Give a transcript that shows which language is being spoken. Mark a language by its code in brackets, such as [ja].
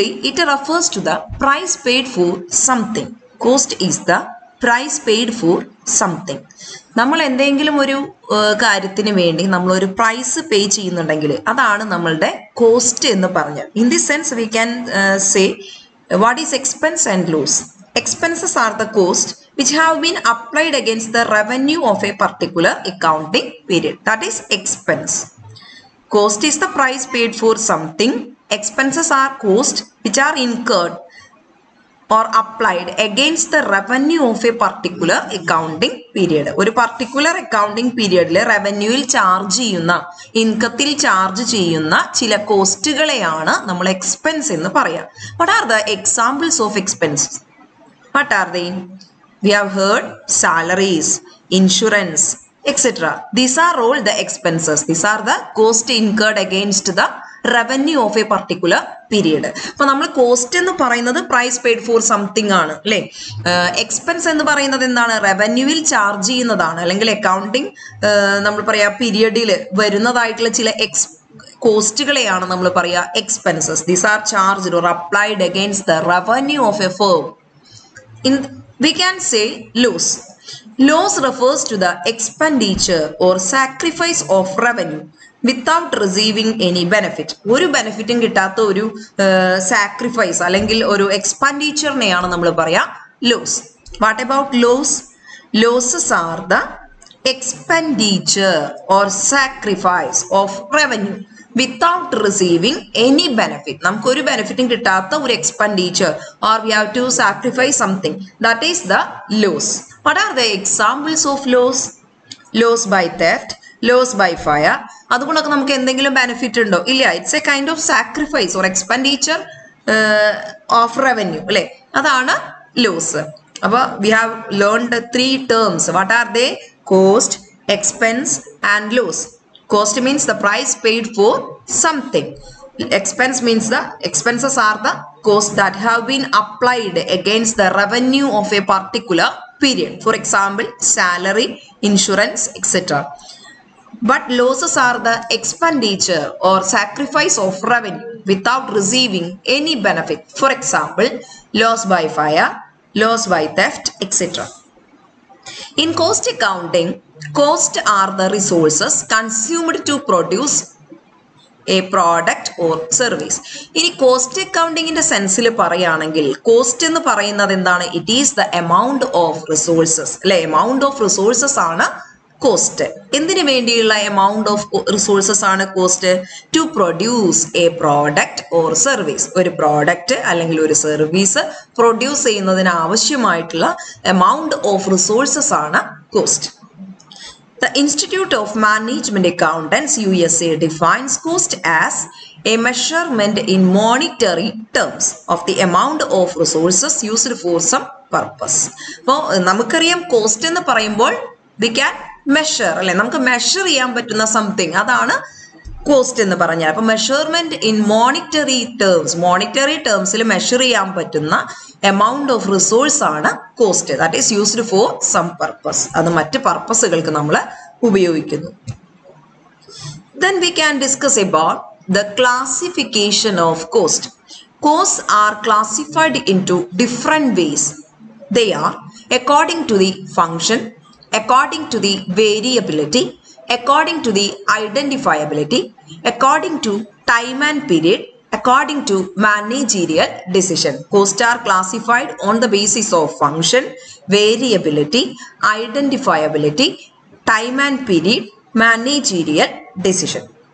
[en] It refers to the price paid for something. Cost is the price paid for something. [ml] നമ്മൾ എന്തെങ്കിലും ഒരു കാര്യത്തിന് വേണ്ടി നമ്മൾ ഒരു പ്രൈസ് പേ ചെയ്യുന്നുണ്ടെങ്കിൽ അതാണ് നമ്മളുടെ കോസ്റ്റ് എന്ന് പറഞ്ഞാൽ. [en] In this sense we can say what is expense and loss. Expenses are the cost which have been applied against the revenue of a particular accounting period. That is expense. Cost is the price paid for something. Expenses are costs which are incurred or applied against the revenue of a particular accounting period. [ml] ഒരു particular accounting പീരിയഡിൽ റവന്യൂയിൽ charge ചെയ്യുന്ന, ഇൻകത്തിൽ charge ചെയ്യുന്ന ചില കോസ്റ്റുകളെയാണ് നമ്മൾ expense എന്ന് പറയാം. [en] What are the examples of expenses? What are they? We have heard salaries, insurance etc. These are all the expenses. These are the cost incurred against the revenue of a particular period. [ml] അപ്പോൾ നമ്മൾ cost എന്ന് പറയുന്നത് [en] price paid for something [ml] ആണ് അല്ലേ. Expense എന്ന് പറയുന്നത് എന്താണ്? റവന്യൂവിൽ charge ചെയ്യുന്നതാണ് അല്ലെങ്കിൽ അക്കൗണ്ടിങ് നമ്മൾ പറയാ പീരിയഡിൽ വരുന്നതായിട്ടുള്ള ചില കോസ്റ്റുകളെയാണ് നമ്മൾ പറയാ expenses. [en] These are charge or applied against the revenue of a firm. In we can say loss. Loss refers to the expenditure or sacrifice of revenue without receiving any benefit. [ml] ഒരു ബെനിഫിറ്റും കിട്ടാത്ത ഒരു sacrifice അല്ലെങ്കിൽ ഒരു എക്സ്പെൻഡിച്ചറിനെയാണ് നമ്മൾ പറയാ loss. [en] What about loss? Losses are the expenditure or sacrifice of revenue without receiving any benefit. [ml] നമുക്കൊരു ബെനിഫിറ്റും കിട്ടാത്ത ഒരു [en] Expenditure or we have to sacrifice something, that is the loss. What are the examples of loss? Loss by theft, loss by fire. [ml] അതുകൊണ്ടൊക്കെ നമുക്ക് എന്തെങ്കിലും benefit ഉണ്ടോ? ഇല്ല. [en] it's a kind of sacrifice or expenditure of revenue [ml] അല്ലേ, അതാണ് loss. [en] അപ്പോൾ we have learned three terms. What are they? Cost, expense and loss. Cost means the price paid for something. Expense means the expenses are the costs that have been applied against the revenue of a particular period. For example, salary, insurance, etc. But losses are the expenditure or sacrifice of revenue without receiving any benefit. For example, loss by fire, loss by theft, etc. In cost accounting, costs are the resources consumed to produce a product or service. [ml] ഇനി cost അക്കൗണ്ടിങ്ങിന്റെ സെൻസിൽ പറയുകയാണെങ്കിൽ cost എന്ന് പറയുന്നത് എന്താണ്? [en] It is the amount of resources അല്ലെ. Amount of resources ആണ് cost. [ml] എന്തിനു വേണ്ടിയുള്ള amount of resources ആണ് cost? [en] To produce a product or service. [ml] ഒരു പ്രോഡക്റ്റ് അല്ലെങ്കിൽ ഒരു സർവീസ് പ്രൊഡ്യൂസ് ചെയ്യുന്നതിന് ആവശ്യമായിട്ടുള്ള എമൗണ്ട് ഓഫ് റിസോഴ്സസ് ആണ് cost. [en] The Institute of Management Accountants USA defines cost as a measurement in monetary terms of the amount of resources used for some purpose. [ml] അപ്പോൾ നമുക്കറിയാം cost എന്ന് പറയുമ്പോൾ [en] we can measure [ml] അല്ലെ, നമുക്ക് measure ചെയ്യാൻ പറ്റുന്ന something, അതാണ് കോസ്റ്റ് എന്ന് പറഞ്ഞാൽ. അപ്പോൾ [en] measurement in monetary terms, [ml] monetary ടേംസിൽ measure ചെയ്യാൻ പറ്റുന്ന എമൗണ്ട് ഓഫ് റിസോഴ്സ് ആണ് cost. [en] That is used for some purpose. [ml] അത് മറ്റ് പർപ്പസുകൾക്ക് നമ്മൾ ഉപയോഗിക്കുന്നു. [en] Then we can discuss about the classification of cost. Cost are classified in two different ways. They are according to the function, according to the variability, according to the identifiability, according to time and period, according to managerial decision. Costs are classified on the basis of function, variability, identifiability, time and period, managerial decision.